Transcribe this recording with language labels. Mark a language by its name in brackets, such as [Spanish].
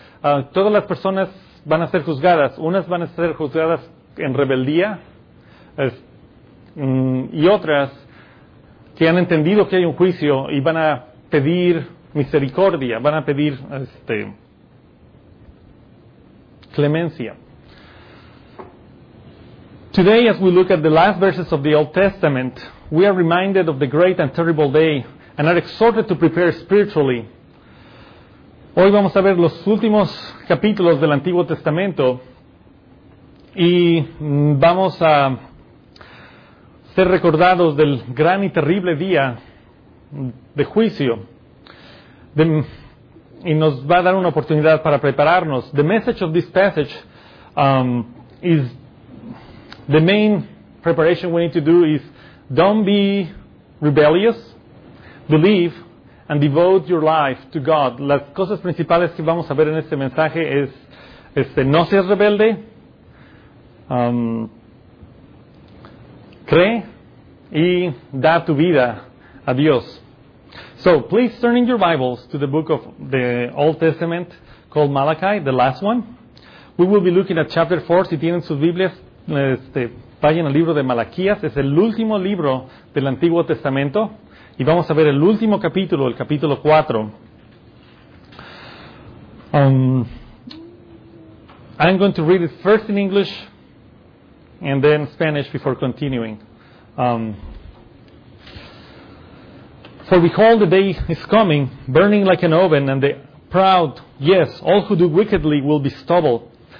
[Spanish] Todas las personas van a ser juzgadas. Unas van a ser juzgadas en rebeldía y otras que han entendido que hay un juicio y van a pedir misericordia, van a pedir clemencia. [English] Today, as we look at the last verses of the Old Testament, we are reminded of the great and terrible day and are exhorted to prepare spiritually. [Spanish] Hoy vamos a ver los últimos capítulos del Antiguo Testamento y vamos a ser recordados del gran y terrible día de juicio. Y nos va a dar una oportunidad para prepararnos. [English] The message of this passage is the main preparation we need to do is don't be rebellious, believe, and devote your life to God. [Spanish] Las cosas principales que vamos a ver en este mensaje es no seas rebelde, cree y da tu vida a Dios. [English] So, please turn in your Bibles to the book of the Old Testament called Malachi, the last one. We will be looking at chapter 4. [Spanish] Si tienen sus Biblias, vayan al libro de Malaquías. Es el último libro del Antiguo Testamento. Y vamos a ver el último capítulo, el capítulo 4. [English] I'm going to read it first in English and then Spanish before continuing. For behold, the day is coming, burning like an oven, and the proud, yes, all who do wickedly will be stubble.